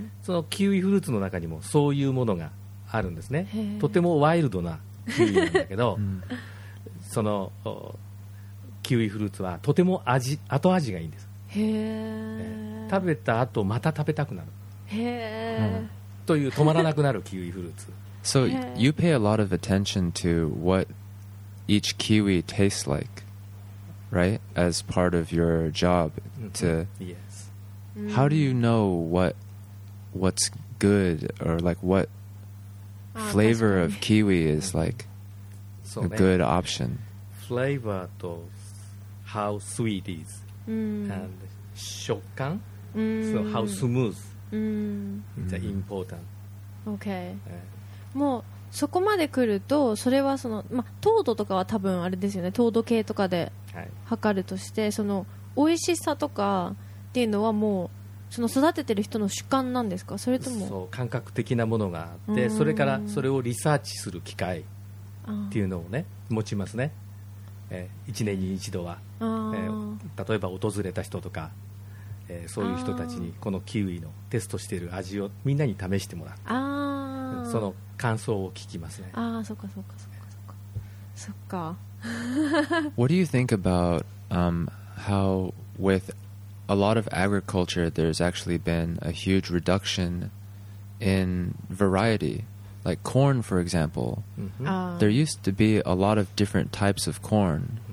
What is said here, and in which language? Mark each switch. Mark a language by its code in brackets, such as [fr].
[ja] そのキウイフルーツの中にもそういうものがあるんですね。とてもワイルドなキウイなんだけど、うん、そのキウイフルーツはとても後味がいいんです。へえ、食べた後また食べたくなる、へえ、うん、という止まらなくなるキウイフルーツ。 [en] So you pay a lot of attention to what each kiwi tastes like, right? As part of your job, to yes. How do you know what's good or like what flavor of kiwi is like a good option? Flavor to how sweet is and 食感 so how smooth is important. Okay. [ja] もうそこまで来るとそれはその、ま、糖度とかは多分あれですよね、糖度計とかで測るとして、はい、その美味しさとかっていうのはもうその育ててる人の主観なんですか、それともそう感覚的なものがあって、それからそれをリサーチする機会っていうのをね持ちますね、1年に一度は、例えば訪れた人とか、そういう人たちにこのキウイのテストしている味をみんなに試してもらって、あ、その感想を聞きますね。ああ、そっかそっかそっかそっか。そっか。 [en] What do you think about how with a lot of agriculture there's actually been a huge reduction in variety? Like corn, for example.、 Mm-hmm. There used to be a lot of different types of corn.、